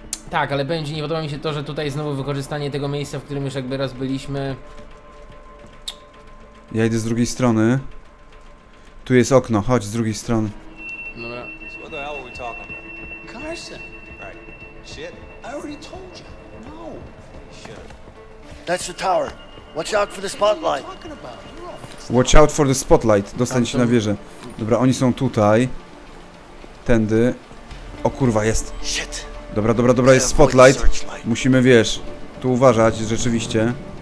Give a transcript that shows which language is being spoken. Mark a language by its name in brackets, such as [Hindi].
[Polish] Tak, ale będzie, nie podoba mi się to, że tutaj znowu wykorzystanie tego miejsca, w którym już jakby raz byliśmy. Ja idę z drugiej strony. Tu jest okno, chodź z drugiej strony. Dobra. [English] Co the hell are we talking about? Carson! Right. Shit. I already told you. No. Shit. That's the tower. Watch out for the spotlight. Watch out for the spotlight. [Polish] Dostań się na wieżę. Dobra, oni są tutaj. Tędy. O kurwa, jest. [English] Shit. [Polish] Dobra, dobra, dobra, jest spotlight. Musimy, wiesz, tu uważać, rzeczywiście.